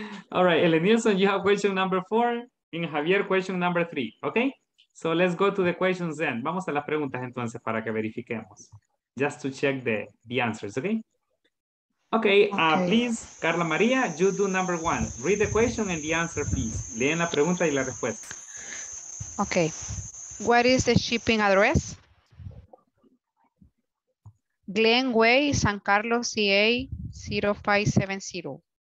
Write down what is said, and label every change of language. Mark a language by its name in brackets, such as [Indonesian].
[English] All right, Elenilson, you have question number four. And Javier, question number three, okay? So let's go to the questions then. [Spanish] Vamos a las preguntas entonces para que verifiquemos. [English] Just to check the answers, okay? Okay, please, Carla Maria, you do number one. Read the question and the answer, please. [Spanish] Leen la pregunta y la respuesta. [English] Okay, what is the shipping address? Glen Way, San Carlos, CA 0570.